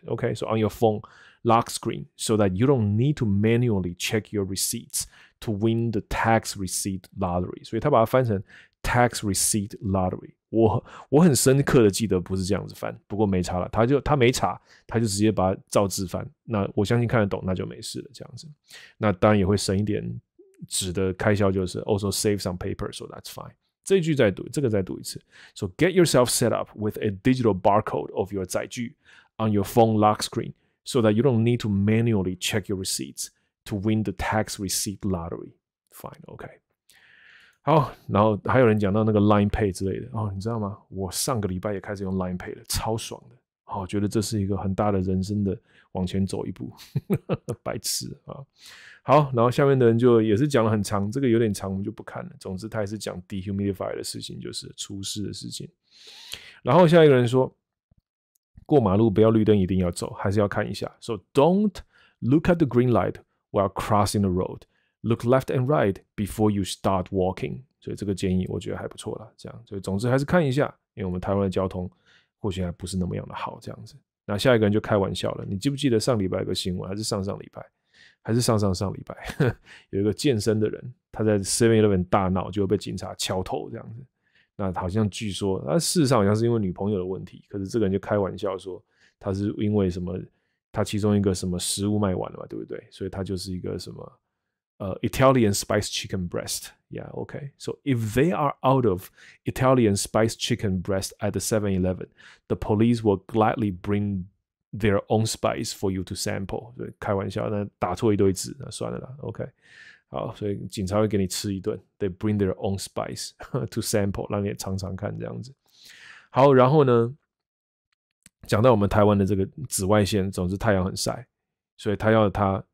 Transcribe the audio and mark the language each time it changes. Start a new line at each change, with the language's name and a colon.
English: Okay, so on your phone lock screen, so that you don't need to manually check your receipts to win the tax receipt lottery。
Chinese: 所以他把它翻成 tax receipt lottery。我很深刻的记得不是这样子翻，不过没查了，他没查，他就直接把它照字翻。那我相信看得懂，那就没事了，这样子。那当然也会省一点。指的开销就是
English: also save some paper, so that's fine.
Chinese: 这一句再读，这个再读一次。
English: So get yourself set up with a digital barcode of your 载具 on your phone lock screen, so that you don't need to manually check your receipts to win the tax receipt lottery. Fine, okay.
Chinese: 好，然后还有人讲到那个 Line Pay 之类的哦，你知道吗？我上个礼拜也开始用 Line Pay 了，超爽的。好、哦，觉得这是一个很大的人生的往前走一步，白痴啊！好，然后下面的人就也是讲了很长，这个有点长，我们就不看了。总之，他也是讲 dehumidifier 的事情，就是除湿的事情。然后下一个人说，过马路不要绿灯，一定要走，还是要看一下。
English: So don't look at the green light while crossing the road. Look left and right before you start walking.
Chinese: 所以这个建议我觉得还不错啦，这样，所以总之还是看一下，因为我们台湾的交通或许还不是那么样的好，这样子。那下一个人就开玩笑了，你记不记得上礼拜有个新闻，还是上上礼拜，还是上上上礼拜，有一个健身的人，他在 7-11 大闹，就被警察敲头这样子。那好像据说，那事实上好像是因为女朋友的问题，可是这个人就开玩笑说，他是因为什么，他其中一个什么食物卖完了嘛，对不对？所以他就是一个什么。
English: Italian spiced chicken breast. Yeah, okay. So if they are out of Italian spiced chicken breast at the 7-Eleven, the police will gladly bring their own spice for you to sample.
Chinese: 对，开玩笑，那打错一堆字，那算了啦。
English: Okay.
Chinese: 好，所以警察会给你吃一顿。
English: They bring their own spice to sample,
Chinese: 让你也尝尝看这样子。好，然后呢，讲到我们台湾的这个紫外线，总之太阳很晒，所以他要他。